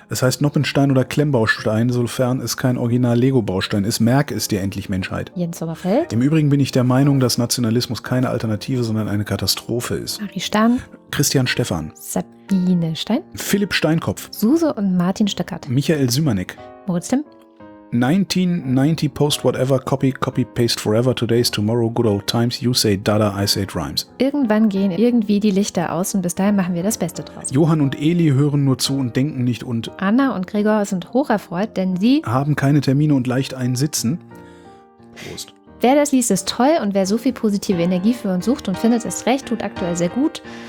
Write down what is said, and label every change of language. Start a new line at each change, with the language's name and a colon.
German: Es heißt Noppenstein oder Klemmbaustein, sofern es kein Original-Lego-Baustein ist. Merk es dir endlich, Menschheit. Jens Sommerfeld. Im Übrigen bin ich der Meinung, dass Nationalismus keine Alternative, sondern eine Katastrophe ist. Marie Stern. Christian Stefan. Sabine Stein. Philipp Steinkopf. Suse und Martin Stöckert. Michael Sümernick. Moritz Timm.
English: 1990 post whatever, copy, copy, paste forever, today's tomorrow, good old times, you say dada, I say rhymes.
German: Irgendwann gehen irgendwie die Lichter aus und bis dahin machen wir das Beste draus. Johann und Eli hören nur zu und denken nicht und Anna und Gregor sind hocherfreut, denn sie haben keine Termine und leicht einen Sitzen. Prost. Wer das liest, ist toll und wer so viel positive Energie für uns sucht und findet es recht, tut aktuell sehr gut.